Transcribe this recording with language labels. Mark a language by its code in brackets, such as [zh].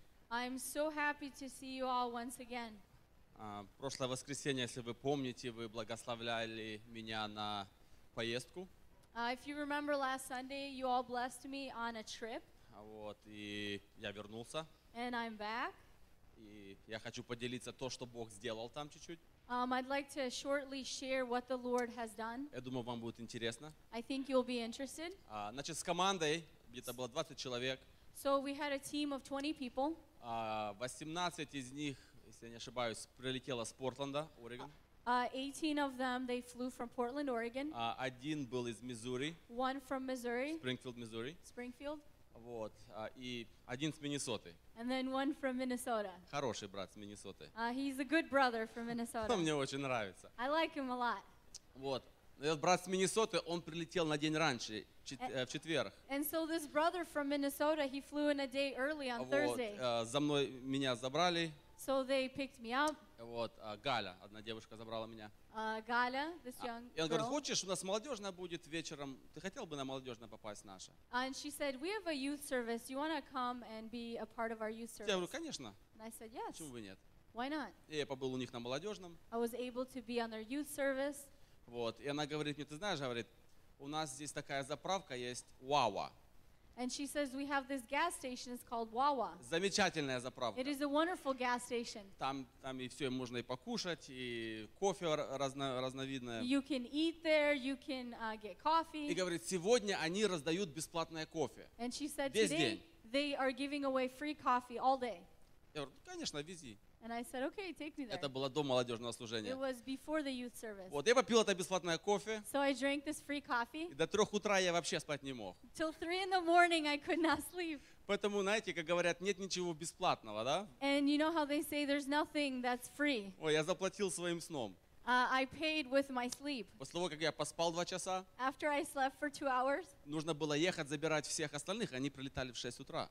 [en] I'm so happy to see you all once again. [ru] Прошлое воскресенье, если вы помните, вы благословляли меня на поездку. [en] If you remember last Sunday, you all blessed me on a trip. [ru] Вот, и я вернулся. [en] And I'm back. [ru] И я хочу поделиться то, что Бог сделал там чуть-чуть. [en] I'd like to shortly share what the Lord has done. [ru] Я думаю, вам будет интересно. [en] I think you'll be interested. [ru] Значит, с командой, где-то было 20 человек. [en] So we had a team of 20 people. [ru] 18 из них, если я не ошибаюсь, прилетело с Портленда, Орегон. [en] 18 of them, they flew from Portland, Oregon. [ru] Один был из Миссури. [en] One from Missouri. Springfield, Missouri. Springfield. [ru] Вот, и один с Миннесоты. [en] And then one from Minnesota. [ru] Хороший брат с Миннесоты. [en] He's a good brother from Minnesota. [ru] Мне очень нравится. [en] I like him a lot. [ru] Вот, этот брат с Миннесоты, он прилетел на день раньше, в четверг. [en] And so this brother from Minnesota, he flew in a day early on Thursday. [ru] За мной меня забрали. [en] So they picked me up. [ru] Вот, Галя, одна девушка забрала меня. [en] Галя, this young girl. [ru] И он говорит, хочешь, у нас молодежная будет вечером, ты хотел бы на молодежное попасть наша? [en] And she said, we have a youth service, you want to come and be a part of our youth service? [ru] Я говорю, конечно. [en] And I said, yes. [ru] Почему бы нет? [en] Why not? [ru] И я побыл у них на молодежном. [en] I was able to be on their youth service. [ru] Вот, и она говорит мне, ты знаешь, говорит, у нас здесь такая заправка есть, Wawa. [en] And she says, we have this gas station, it's called Wawa. [ru] Замечательная заправка. [en] It is a wonderful gas station. [ru] Там и все, можно и покушать, и кофе разновидное. [en] You can eat there, you can get coffee. [ru] И говорит, сегодня они раздают бесплатное кофе. [en] And she said, [ru] весь [en] today [ru] день. [en] They are giving away free coffee all day. [ru] Я говорю, ну, конечно, вези. [en] And I said, okay, take me there. [ru] Это было до молодежного служения. [en] It was before the youth service. [ru] Вот, я попил это бесплатное кофе. [en] So I drank this free coffee. [ru] И до трех утра я вообще спать не мог. [en] Till 3 in the morning I could not sleep. [ru] Поэтому, знаете, как говорят, нет ничего бесплатного, да? [en] And you know how they say there's nothing that's free. [ru] Ой, я заплатил своим сном. [en] I paid with my sleep. [ru] После того, как я поспал 2 часа, [en] after I slept for 2 hours, [ru] нужно было ехать забирать всех остальных, они прилетали в 6 утра.